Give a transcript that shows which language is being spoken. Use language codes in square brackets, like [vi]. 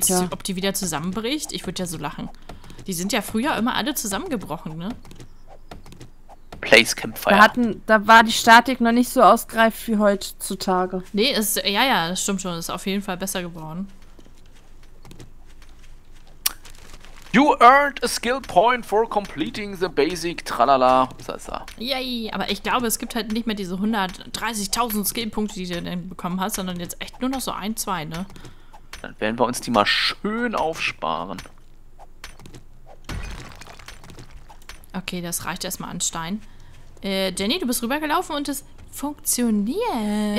[de] Ob die wieder zusammenbricht? Ich würde ja so lachen. Die sind ja früher immer alle zusammengebrochen, ne? [en] Place Campfire. [de] Da war die Statik noch nicht so ausgereift wie heutzutage. Nee, das stimmt schon. Ist auf jeden Fall besser geworden. [en] You earned a skill point for completing the basic tralala. Sasa. [de] Yay, aber ich glaube, es gibt halt nicht mehr diese 130.000 Skillpunkte, die du denn bekommen hast, sondern jetzt echt nur noch so ein, zwei, ne? Dann werden wir uns die mal schön aufsparen. Okay, das reicht erstmal an Stein. Jenny, du bist rübergelaufen und es funktioniert.